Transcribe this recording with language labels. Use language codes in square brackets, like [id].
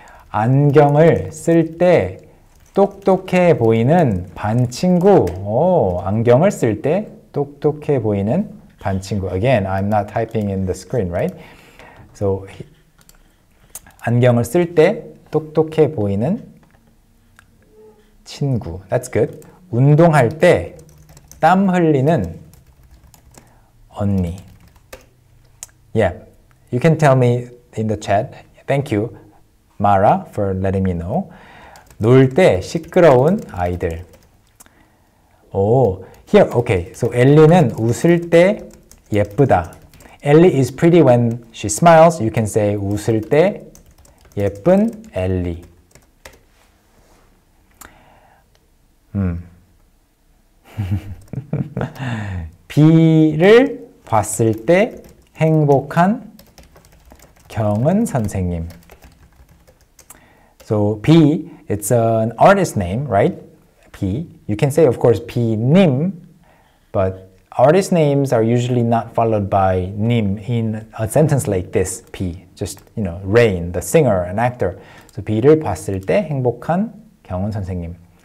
[ko] 안경을 쓸 때 똑똑해 보이는 반 친구. 오, 안경을 쓸 때 똑똑해 보이는 반 친구. [en] Again, I'm not typing in the screen, right? [ko] So, 안경을 쓸 때 똑똑해 보이는 친구. [en] That's good. [ko] 운동할 때 땀 흘리는 언니. [en] Yeah, you can tell me in the chat. Thank you, Mara, for letting me know. [ko] 놀 때 시끄러운 아이들. [en] Oh, here, okay. So, [ko] Ellie는 웃을 때 예쁘다. [en] Ellie is pretty when she smiles. You can say [ko] 웃을 때 예쁜 엘리. 비를 봤을 때 행복한 경은 선생님. [en] So B, it's an artist name, right? B. You can say, of course, B-nim, but artist names are usually not followed by nim in a sentence like this, B. Just, you know, Rain, the singer, an actor. [ko] So, 비를 봤을 때 행복한 경은 선생님.